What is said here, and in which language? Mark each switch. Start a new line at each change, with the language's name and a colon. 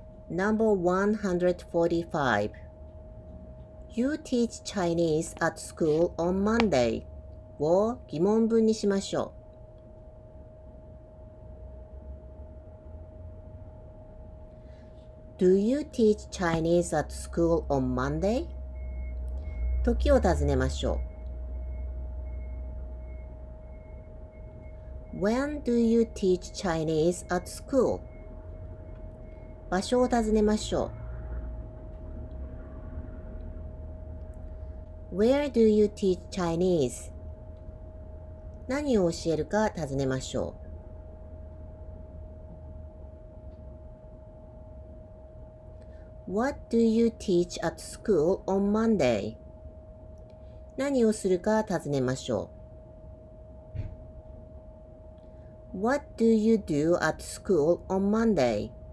English: Number 145. You teach Chinese at school on Monday.
Japanese: を疑問文にしましょう。
English: Do you teach Chinese at school on Monday?
Japanese: 時を尋ねましょう。
English: When do you teach Chinese at school?
Japanese: 場所を尋ねましょう。
English: Where do you teach Chinese?
Japanese: 何を教えるか尋ねましょう。
English: What do you teach at school on Monday?
Japanese: 何をするか尋ねましょう。
English: What do you do at school on Monday?